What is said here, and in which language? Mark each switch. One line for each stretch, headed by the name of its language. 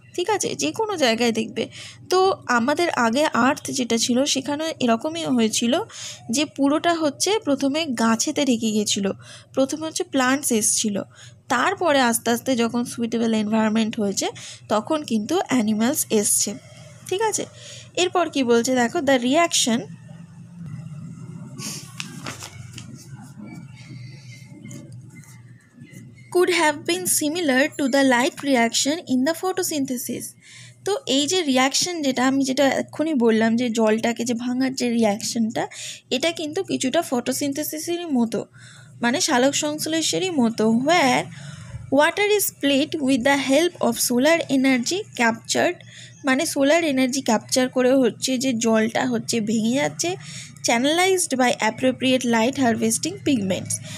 Bangla: ঠিক আছে, যে কোনো জায়গায় দেখবে। তো আমাদের আগে আর্থ যেটা ছিল সেখানে এরকমই হয়েছিল যে পুরোটা হচ্ছে প্রথমে গাছেতে ঢেকে গিয়েছিলো, প্রথমে হচ্ছে প্লান্টস এসেছিল, তারপরে আস্তে আস্তে যখন সুইটেবল এনভায়রনমেন্ট হয়েছে তখন কিন্তু অ্যানিমেলস এসছে। ঠিক আছে, এরপর কি বলছে দেখো,
English: The reaction could have been similar to the light reaction in the photosynthesis.
Bangla: তো এই যে রিয়াকশন যেটা আমি যেটা এক্ষুনি বললাম যে জলটাকে যে ভাঙার যে রিয়াকশনটা, এটা কিন্তু কিছুটা ফটোসিনথেসিসেরই মতো, মানে সালোকসংশ্লেষেরই মতো।
English: where water is split with the help of solar energy captured,
Bangla: মানে সোলার এনার্জি ক্যাপচার করে হচ্ছে যে জলটা হচ্ছে ভেঙে যাচ্ছে,
English: Channelized by appropriate light harvesting pigments.